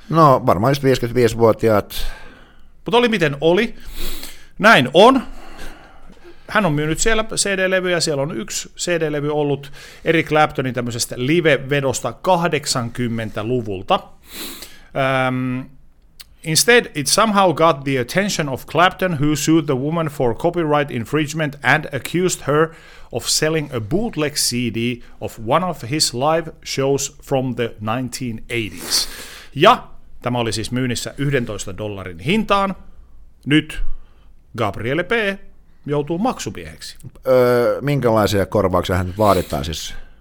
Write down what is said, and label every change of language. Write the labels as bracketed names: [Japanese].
[Finnish] No varmaan just 55-vuotiaat. Mutta oli miten oli. Näin on. Hän on myynyt siellä CD-levyjä, siellä on yksi CD-levy ollut Eric Claptonin tämmöisestä live-vedosta 80-luvulta. [English] Instead, it somehow got the attention of Clapton, who sued the woman for copyright infringement and accused her of selling a bootleg CD of one of his live shows from the 1980s. [Finnish] Ja tämä oli siis myynnissä $11 hintaan. Nyt Gabrielle P. joutuu maksumieheksi. Minkälaisia korvauksia hän vaaditaan siis?